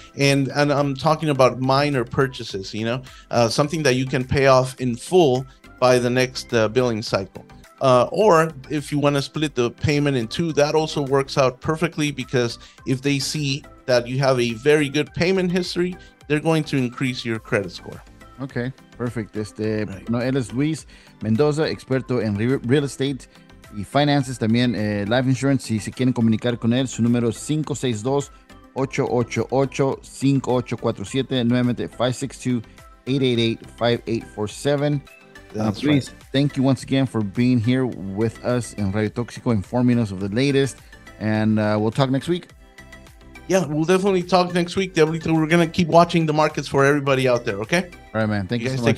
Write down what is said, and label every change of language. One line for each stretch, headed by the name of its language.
English: And I'm talking about minor purchases, you know, something that you can pay off in full by the next billing cycle. Or if you want to split the payment in two, that also works out perfectly, because if they see that you have a very good payment history, they're going to increase your credit score. Okay, perfect. Right.
Spanish: No, él es Luis Mendoza, experto en real estate y finances, también life insurance. Si se quieren comunicar con él, su número es 562-888-5847. Nuevamente, 562-888-5847.
English: That's Luis, right. Thank you once again for being here with us in Radio Toxiko, informing us of the latest. And we'll talk next week. Yeah, we'll definitely talk next week. We're going to keep watching the markets for everybody out there, okay? All right, man. Thank you guys so much.